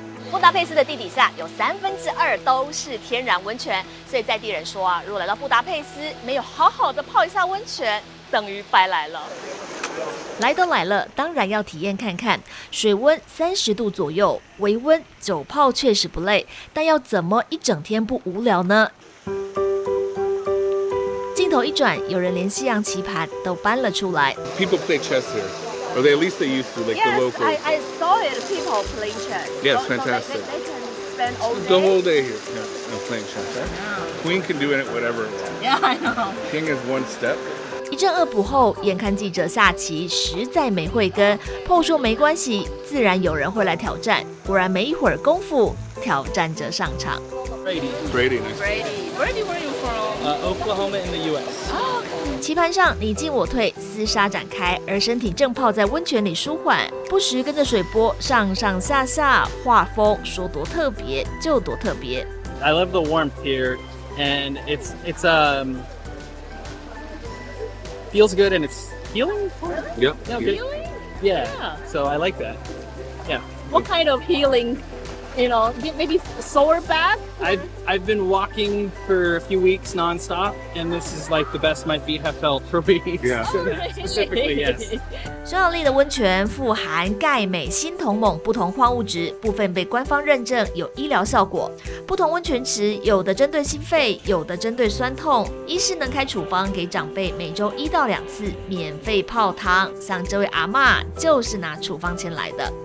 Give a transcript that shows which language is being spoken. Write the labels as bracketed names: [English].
[Chinese] 布达佩斯的地底下有2/3都是天然温泉，所以在地人说啊，如果来到布达佩斯没有好好的泡一下温泉，等于白来了。来都来了，当然要体验看看。水温30度左右，微温，久泡确实不累，但要怎么一整天不无聊呢？镜头一转，有人连西洋棋盘都搬了出来。 [English] People play chess here, or at least they used to, like yes, the locals. Yes, I saw it. People playing chess. Yes, fantastic. They can spend all day. The whole day here, yeah, and playing chess. Yeah. Queen can do it whatever. Yeah, I know. King is one step. [Chinese] 一阵恶补后，眼看记者下棋实在没慧根，破说没关系，自然有人会来挑战。果然没一会儿功夫，挑战者上场。 [English] Brady, where are you from? Oklahoma in the U.S. [Chinese] 棋盘上你进我退，厮杀展开，而身体正泡在温泉里舒缓，不时跟着水波上上下下，画风说多特别就多特别。 [English] I love the warmth here, and it's feels good and it's healing for me. Yep. Yeah, good. Healing? Yeah. So I like that. Yeah. What kind of healing? You know, maybe sore back? I've been walking for a few weeks nonstop, and this is like the best my feet have felt for weeks. Yeah. Oh, really? Specifically, yes. [Chinese] 匈牙利的温泉富含钙、镁、锌、铜、锰不同矿物质，部分被官方认证有医疗效果。不同温泉池有的针对心肺，有的针对酸痛。医师能开处方给长辈每周1到2次免费泡汤，像这位阿嬷就是拿处方钱来的。